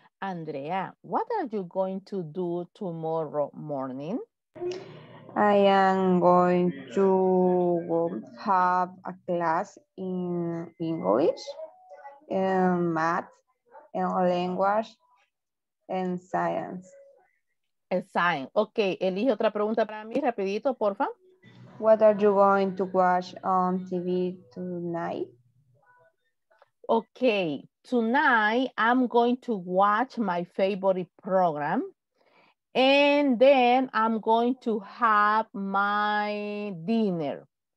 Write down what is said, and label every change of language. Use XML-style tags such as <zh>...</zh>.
<en>Andrea, what are you going to do tomorrow morning? I am going to have a class in English, math, and language, and science. And science.</en> <es>Okay, elige otra pregunta para mí rapidito, porfa.</es> <en>What are you going to watch on TV tonight? Okay, tonight I'm going to watch my favorite program. And then I'm going to have my dinner.</en>